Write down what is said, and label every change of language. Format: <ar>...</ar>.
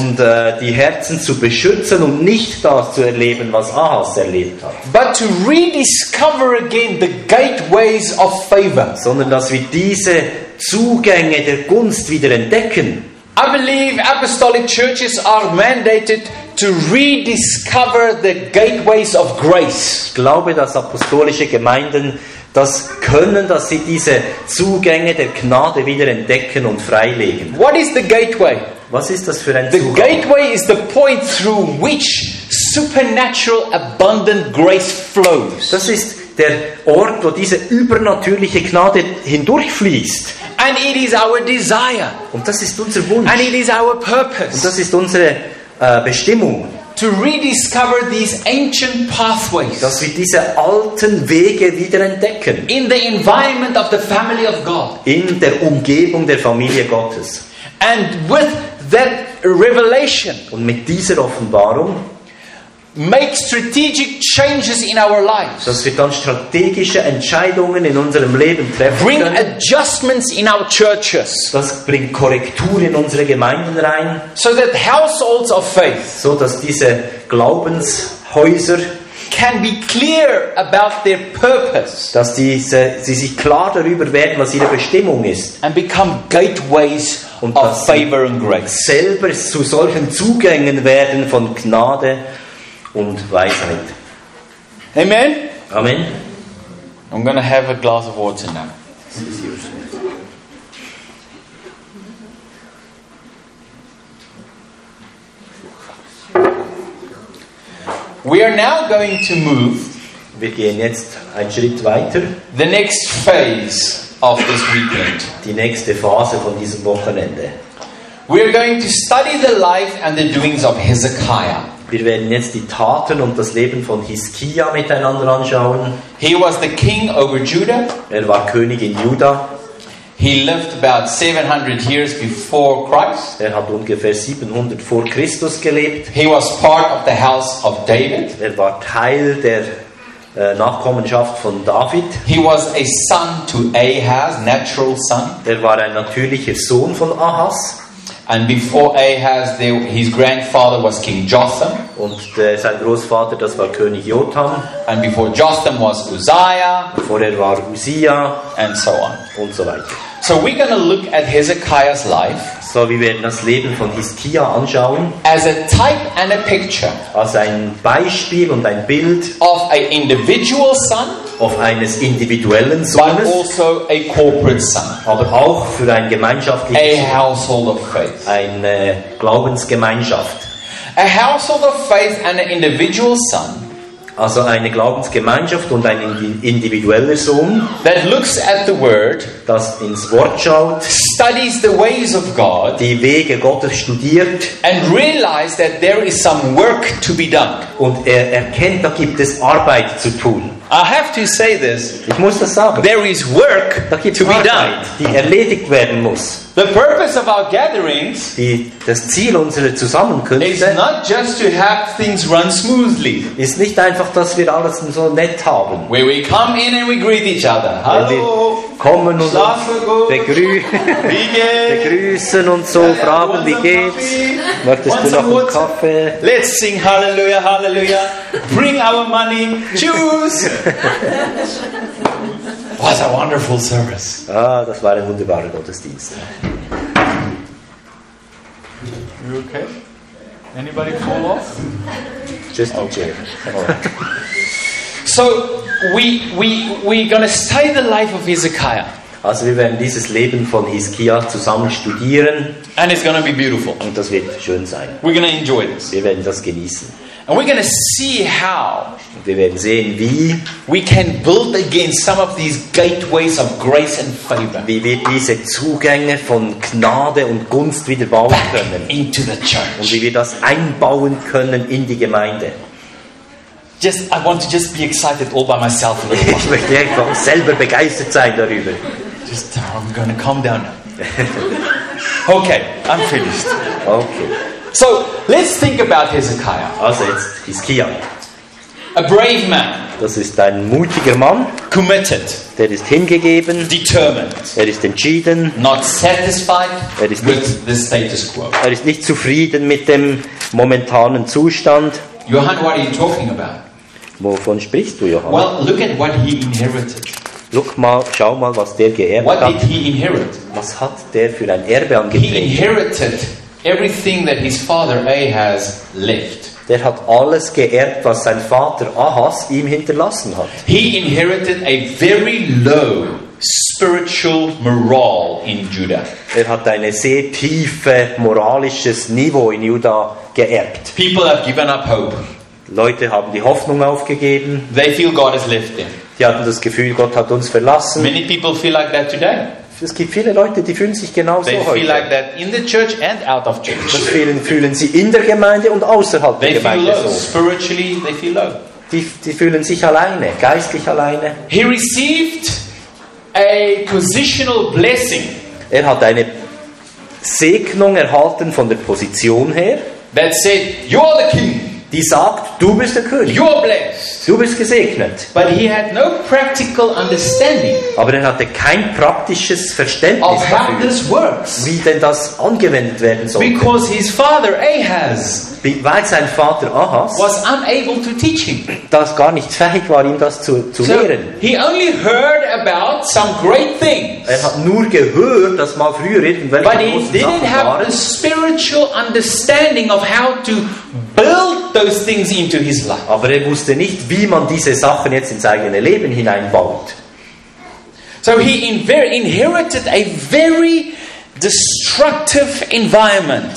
<de>Und die Herzen zu beschützen und nicht das zu erleben, was Ahaz erlebt hat.</de> <en>But to rediscover again the gateways of favor.</en> <de>Sondern dass wir diese Zugänge der Gunst wieder entdecken.</de> <en>I believe apostolic churches are mandated to rediscover the gateways of grace.</en> <de>Ich glaube, dass apostolische Gemeinden das können, dass sie diese Zugänge der Gnade wieder entdecken und freilegen.</de> <en>What is the gateway?</en> <de>Was ist das für ein</de> <en>the</en> <de>Zugang?</de> <en>The gateway is the point through which supernatural abundant grace flows.</en> <de>Das ist der Ort, wo diese übernatürliche Gnade hindurchfließt.</de> <en>And it is our desire.</en> <de>Und das ist unser Wunsch.</de> <en>And it is our purpose.</en> <de>Und das ist unsere Bestimmung.</de> <en>To rediscover these ancient pathways,</en> <de>dass wir diese alten Wege wieder entdecken,</de> <en>in the environment of the family of God,</en> <de>in der Umgebung der Familie Gottes,</de> <en>and with that revelation,</en> <de>und mit dieser Offenbarung,</de> <en>make strategic changes in our lives,</en> <de>dass wir dann strategische Entscheidungen in unserem Leben treffen können,</de> <en>bring adjustments in our churches,</en> <de>das bringt Korrektur in unsere Gemeinden rein,</de> <en>so that households of faith,</en> <de>so dass diese Glaubenshäuser</de> <en>can be clear about their purpose.</en> <de>Dass diese, sie sich klar darüber werden, was ihre Bestimmung ist.</de> <en>And become gateways of favor and grace.</en> <de>Selber zu solchen Zugängen werden von Gnade und Weisheit.</de> <en>Amen.</en> <de>Amen.</de> <en>I'm going to have a glass of water now. We are now going to move.</en> <de>Wir gehen jetzt einen Schritt weiter.</de> <en>The next phase of this weekend.</en> <de>Die nächste Phase von diesem Wochenende.</de> <en>We are going to study the life and the doings of Hezekiah.</en> <de>Wir werden jetzt die Taten und das Leben von Hiskia miteinander anschauen.</de> <en>He was the king over Judah.</en> <de>Er war König in Juda.</de> <en>He lived about 700 years before Christ.</en> <de>Er hat ungefähr 700 vor Christus gelebt.</de> <en>He was part of the house of David.</en> <de>Er war Teil der Nachkommenschaft von David.</de> <en>He was a son to Ahaz, natural son.</en> <de>Er war ein natürlicher Sohn von Ahaz.</de> <en>And before Ahaz, his grandfather was King Jotham.</en> <de>Und sein Großvater, das war König Jotham.</de> <en>And before Jotham was Uzziah.</en> <de>Bevor er war Uzziah.</de> <en>And so on.</en> <de>Und so weiter.</de> <en>So we're going to look at Hezekiah's life.</en> <de>So wir werden das Leben von Hiskia anschauen.</de> <en>As a type and a picture.</en> <de>Als ein Beispiel und ein Bild.</de> <en>Of an individual son.</en> <de>Auf eines individuellen Sohnes,</de> <en>but also a corporate son.</en> <de>Aber auch für ein gemeinschaftliches</de> <en>a household of faith.</en> <de>Eine Glaubensgemeinschaft.</de> <en>A household of faith and an individual son.</en> <de>Also eine Glaubensgemeinschaft und ein individueller Sohn.</de> <en>That looks at the word,</en> <de>das ins Wort schaut.</de> <en>Studies the ways of God.</en> <de>Die Wege Gottes studiert.</de> <en>And realizes that there is some work to be done.</en> <de>Und er erkennt, da gibt es Arbeit zu tun.</de> <en>I have to say this.</en> <de>Ich muss das sagen.</de> <en>There is work to be done.</en> <de>Die erledigt werden muss.</de> <en>The purpose of our gatherings.</en> <de>Das Ziel unserer Zusammenkünfte.</de> <en>Is not just to have things run smoothly.</en> <de>Ist nicht einfach, dass wir alles so nett haben.</de> <en>Where we come in and we greet each other.</en> <de>Hallo. Kommen und begrüßen und so, ja, fragen, wie geht's? Coffee? Möchtest</de> <en>want</en> <de>du noch einen Kaffee?</de> <en>Let's sing Hallelujah, Hallelujah. Bring our money, choose. What a wonderful service.</en> <de>Ah, das war ein wunderbarer Gottesdienst.</de> <en>You okay? Anybody fall off? Just okay. Chair. Right. So, we're going to study the life of Hezekiah.</en> <de>Also wir werden dieses Leben von Hiskia zusammen studieren.</de> <en>And it's going to be beautiful.</en> <de>Und das wird schön sein.</de> <en>We're going to enjoy this.</en> <de>Wir werden das genießen.</de> <en>And we're going to see how.</en> <de>Und wir werden sehen, wie</de> <en>we can build again some of these gateways of grace and favor.</en> <de>Wie wir diese Zugänge von Gnade und Gunst wieder bauen können.</de> <en>Back into the church.</en> <de>Und wie wir das einbauen können in die Gemeinde.</de> <en>Just, I want to just be excited all by myself.</en> <de>Ich möchte einfach selber begeistert sein darüber.</de> <en>Just, I'm going to calm down now. Okay, I'm finished. Okay. So, let's think about Hezekiah.</en> <de>Also jetzt Hiskia.</de> <en>A brave man.</en> <de>Das ist ein mutiger Mann.</de> <en>Committed.</en> <de>Der ist hingegeben.</de> <en>Determined.</en> <de>Er ist entschieden.</de> <en>Not satisfied with the status quo.</en> <de>Er ist nicht zufrieden mit dem momentanen Zustand.</de> <en>Johann, what are you talking about?</en> <de>Wovon sprichst du, Johann?</de> <en>Well, look at what he inherited.</en> <de>Look mal, schau mal, was der geerbt</de> <en>what</en> <de>hat.</de> <en>What did he inherit?</en> <de>Was hat der für ein Erbe angetreten?</de> <en>He inherited everything that his father Ahaz left.</en> <de>Der hat alles geerbt, was sein Vater Ahaz ihm hinterlassen hat.</de> <en>He inherited a very low spiritual morale in Judah.</en> <de>Er hat eine sehr tiefe moralisches Niveau in Juda geerbt.</de> <en>People have given up hope.</en> <de>Leute haben die Hoffnung aufgegeben.</de> <en>They feel God has left them.</en> <de>Die hatten das Gefühl, Gott hat uns verlassen.</de> <en>Many people feel like that today.</en> <de>Es gibt viele Leute, die fühlen sich genauso heute.</de> <en>They feel like that in the church and out of church.</en> <de>Das fühlen sie in der Gemeinde und außerhalb</de> <en>they</en> <de>der Gemeinde</de> <en>feel low. So. Spiritually they feel low.</en> <de>Die fühlen sich alleine, geistlich alleine.</de> <en>He received a positional blessing.</en> <de>Er hat eine Segnung erhalten von der Position her.</de> <en>That said, you are the king.</en> <de>die sagt, du bist der König.</de> <en>You are blessed.</en> <de>Du bist gesegnet.</de> <en>But he had no practical understanding.</en> <de>Aber er hatte kein praktisches Verständnis</de> <en>dafür, this works.</en> <de>Wie denn das angewendet werden sollte.</de> <en>Because his father Ahaz,</en> <de>weil sein Vater Ahaz,</de> <en>was unable to teach him.</en> <de>Das gar nicht fähig war, ihm das zu lehren.</de> <en>He only heard about some great things.</en> <de>Er hat nur gehört, dass mal früher irgendwelche</de> <en>But</en> <de>großen</de> <en>he didn't</en> <de>Sachen</de> <en>have</en> <de>waren.</de> <en>The spiritual understanding of how to build those things into his life.</en> <de>Aber er wusste nicht, wie man diese Sachen jetzt ins eigene Leben hineinbaut.</de> <en>So he inherited a very destructive environment.</en>